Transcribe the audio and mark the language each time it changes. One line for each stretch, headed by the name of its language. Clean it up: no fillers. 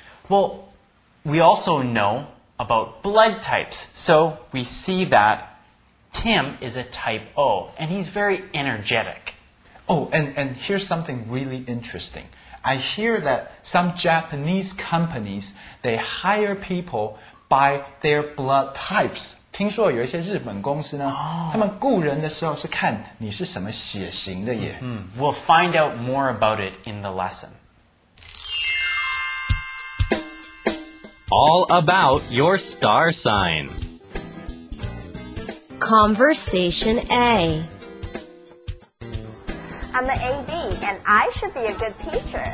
English: Well, we also know about blood types, so we see that Tim is a type O, and he's very energetic. Oh, and here's something really interesting. I hear that some Japanese companies, they hire people by their blood types.
Chinese: 听说有一些日本公司呢、他们雇人的时候是看你是什么血型的耶。
English: We'll find out more about it in the lesson. All about your star sign. Conversation A. I'm an AD, and I should be a good teacher.